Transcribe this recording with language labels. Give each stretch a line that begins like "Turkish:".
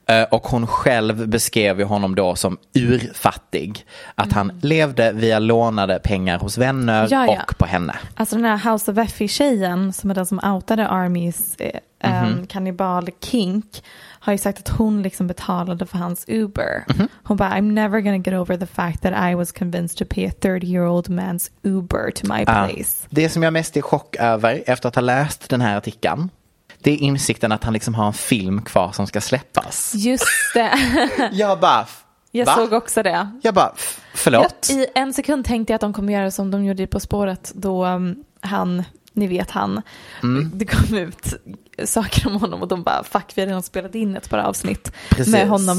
Swedish: Och hon själv beskrev ju honom då som urfattig. Att han levde via lånade pengar hos vänner, ja, ja, och på henne. Alltså den här House of Effie-tjejen som är den som outade Armies kannibal kink har ju sagt att hon liksom betalade för hans Uber. Mm-hmm. Hon bara,
English: I'm never gonna get over the fact that I was convinced to pay a 30-year-old man's Uber to my place.
Swedish: Det som jag mest är chock över efter att ha läst den här artikeln, det är insikten att han liksom har en film kvar som ska släppas. Just det. Jag bara, jag såg också det. Jag bara, förlåt. I en sekund tänkte jag att de kommer göra som de gjorde På spåret, då han, ni vet han, det kom ut saker om honom och de bara, fuck, vi har redan spelat in ett par avsnitt, precis, med honom.